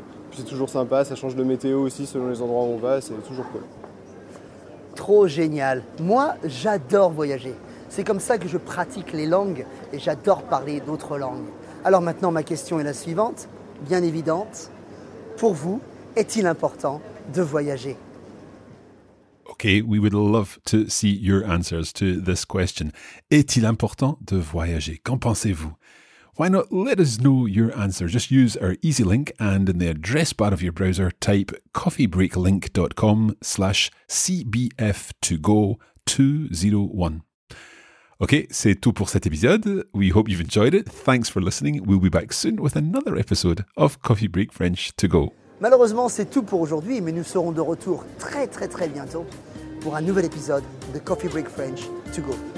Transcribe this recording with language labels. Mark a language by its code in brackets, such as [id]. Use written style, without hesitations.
[fr] Puis c'est toujours sympa, ça change de météo aussi selon les endroits où on va, c'est toujours cool. Trop génial. Moi, j'adore voyager. C'est comme ça que je pratique les langues et j'adore parler d'autres langues. Alors maintenant, ma question est la suivante, bien évidente. Pour vous, est-il important de voyager? [en] Okay, we would love to see your answers to this question. [fr] Est-il important de voyager? Qu'en pensez-vous? [en] Why not let us know your answer? Just use our easy link and in the address bar of your browser, type coffeebreaklink.com/CBF2Go201. [fr] Okay, c'est tout pour cet épisode. [en] We hope you've enjoyed it. Thanks for listening. We'll be back soon with another episode of Coffee Break French to Go. [fr] Malheureusement, c'est tout pour aujourd'hui, mais nous serons de retour très très très bientôt pour un nouvel épisode de Coffee Break French to Go.